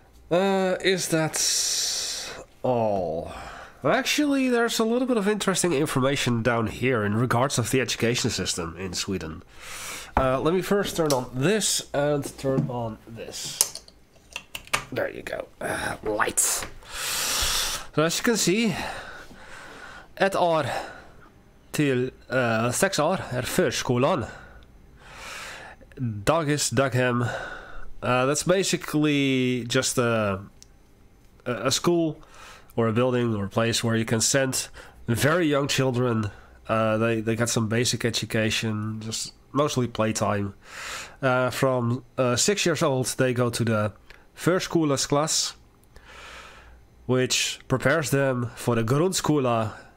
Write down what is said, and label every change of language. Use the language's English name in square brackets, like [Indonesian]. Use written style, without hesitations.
[English] Is that all? Actually, there's a little bit of interesting information down here in regards of the education system in Sweden. Let me first turn on this and turn on this. There you go. Light. So as you can see, [Swedish] ett år till sex år är förskolan. Dagis, daghem. [English] That's basically just a school or a building or a place where you can send very young children. They got some basic education, just mostly playtime. From 6 years old, they go to the förskolasklass, which prepares them for the grundskola.